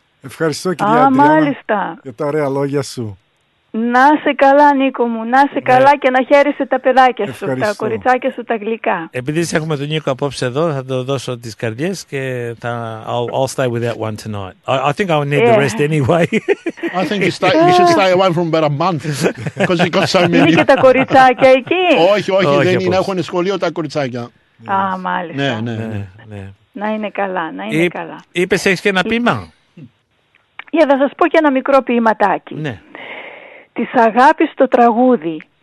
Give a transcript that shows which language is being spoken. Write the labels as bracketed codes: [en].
[el] Ευχαριστώ, κυρία Αντριάννα, για τα ωραία λόγια σου. Να είσαι καλά, Νίκο μου. Να είσαι καλά και να χαίρεσαι τα παιδάκια σου, τα κοριτσάκια σου, τα γλυκά. Επειδή έχουμε τον Νίκο απόψε εδώ, θα το δώσω τις καρδιές και θα. [en] I'll stay with that one tonight. I think I'll need the rest anyway. I think you should stay away from about a month. Because you got so many. [el] Είναι και τα κοριτσάκια εκεί. Όχι, δεν είναι. Έχουν σχολείο τα κοριτσάκια. Α, μάλιστα. Ναι. Να είναι καλά, να είναι καλά. Είπες, έχεις και ένα ποίημα. Για να σας πω και ένα μικρό ποιηματάκι. Ναι. Της αγάπης το τραγούδι.